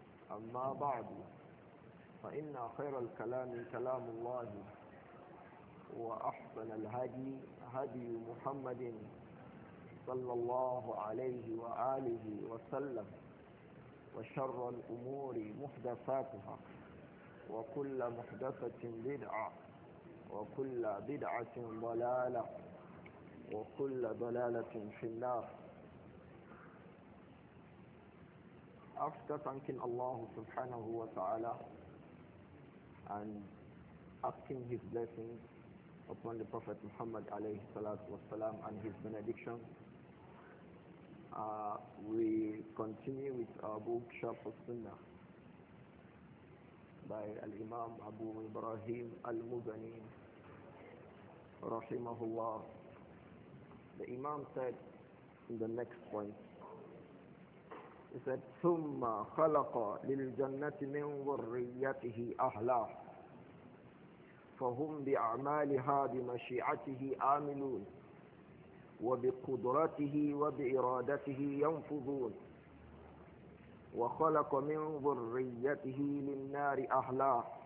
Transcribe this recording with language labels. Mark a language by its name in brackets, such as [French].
[Arabic] أما بعد، فإن خير الكلام كلام الله، وأحسن الهدي هدي محمد صلى الله عليه وآله وسلم، وشر الأمور محدثاتها، وكل محدثة بدعة، وكل بدعة ضلالة، وكل ضلالة في النار. [English] After thanking Allah subhanahu wa ta'ala and asking his blessings upon the Prophet Muhammad alayhi salatu wa salam and his benediction, we continue with our book Sharh Sunnah by Al-Imam Abu Ibrahim Al-Mughani rahimahullah. The Imam said in the next point, he said, [Arabic] ثُمَّ خَلَقَ لِلْجَنَّةِ مِنْ ذُرِّيَّتِهِ أَهْلًا فَهُمْ بِأَعْمَالِهَا بِمَشِيئَتِهِ آمِلُونَ وَبِقُدْرَتِهِ وَبِإِرَادَتِهِ يَنْفُذُونَ وَخَلَقَ مِنْ ذُرِّيَّتِهِ لِلنَّارِ أَهْلًا